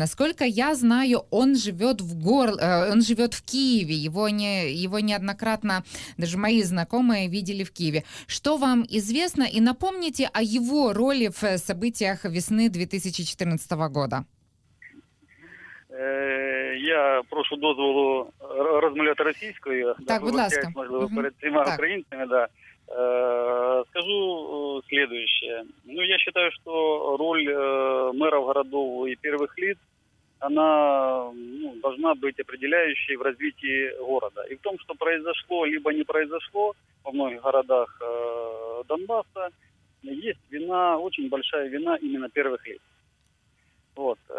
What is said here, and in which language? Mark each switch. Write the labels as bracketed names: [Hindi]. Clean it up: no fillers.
[Russian] Насколько я знаю, он живет в Киеве, его неоднократно даже мои знакомые видели в Киеве. Что вам известно? И напомните о его роли в событиях весны 2014 года. [Ukrainian] Я прошу дозволу розмовляти російською. Так, будь ласка. Перед всіма українцями, да. [Russian] Скажу следующее. Ну, я считаю, что роль мэров городов и первых лиц она должна быть определяющей в развитии города. И в том, что произошло, либо не произошло во многих городах Донбасса, есть вина, очень большая вина именно первых лиц. Вот.